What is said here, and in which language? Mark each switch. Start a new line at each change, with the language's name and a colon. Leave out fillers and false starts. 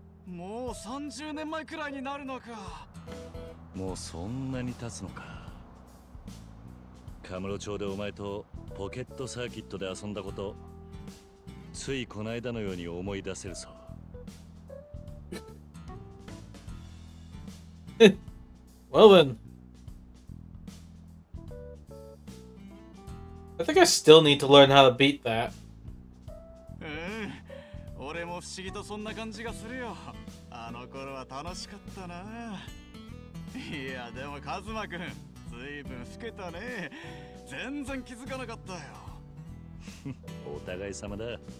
Japanese: もう30年前くらいになるのか。もうそんなに経つのか。カムロ町でお前とポケットサーキットで遊んだこと、ついこの間のように思い出せるぞ。
English: Well then, I think I still need to learn how to beat that.
Japanese: うん、俺も不思議とそんな感じがするよ。あの頃は楽しかったな。いやでもカズマ君、ずいぶん老けたね。全然気づかなかったよ。お互い様だ。